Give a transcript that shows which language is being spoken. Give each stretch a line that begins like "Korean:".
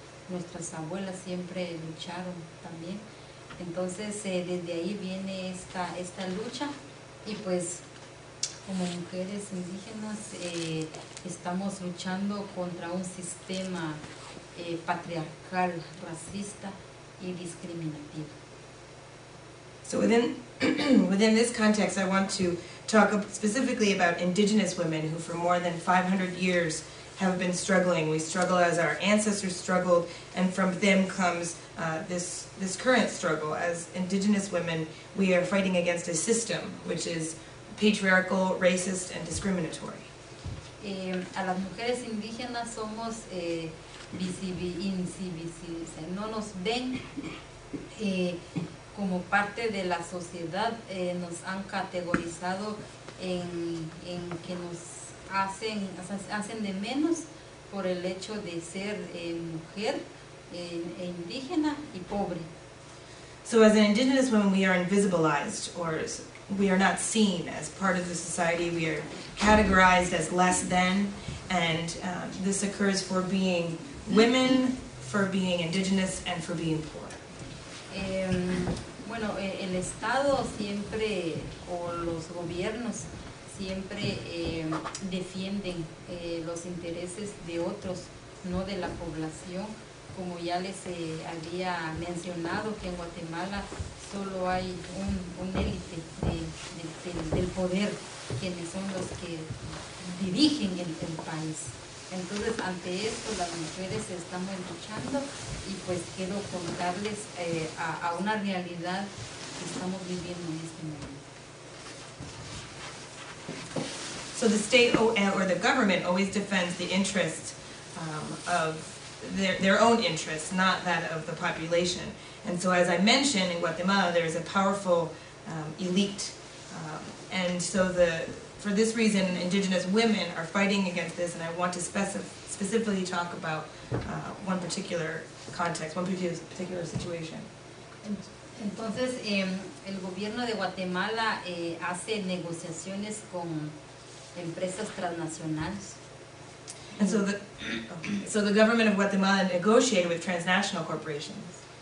Spanish: Nuestras abuelas siempre lucharon también. Entonces, desde ahí viene esta lucha. Y pues, como mujeres indígenas, estamos luchando contra un sistema patriarcal, racista y discriminativo.
English: So within this context, I want to talk specifically about indigenous women who for more than 500 years have been struggling. We struggle as our ancestors struggled, and from them comes this current struggle. As indigenous women, we are fighting against a system which is patriarchal, racist, and discriminatory.
Spanish: A las mujeres indígenas somos invisibles. No nos ven como parte de la sociedad. Nos han categorizado en que nos hacen de menos por el hecho de ser mujer indígena y pobre.
English: So as an indigenous woman, we are invisibilized, or we are not seen as part of the society. We are categorized as less than, and this occurs for being women, for being indigenous, and for being poor.
Spanish: Bueno, el Estado siempre, o los gobiernos, siempre defienden los intereses de otros, no de la población. Como ya les había mencionado, que en Guatemala solo hay un élite del poder, quienes son los que dirigen el país. Entonces, ante esto, las mujeres estamos luchando y pues quiero contarles a una realidad que estamos viviendo en este momento.
English: So the state or the government always defends the interests of their own interests, not that of the population. And so, as I mentioned, in Guatemala, there is a powerful elite. For this reason, indigenous women are fighting against this, and I want to specifically talk about one particular context, one particular situation.
Spanish: Entonces, el gobierno de Guatemala hace negociaciones con empresas transnacionales.
English: And so the government of Guatemala negotiated with transnational corporations.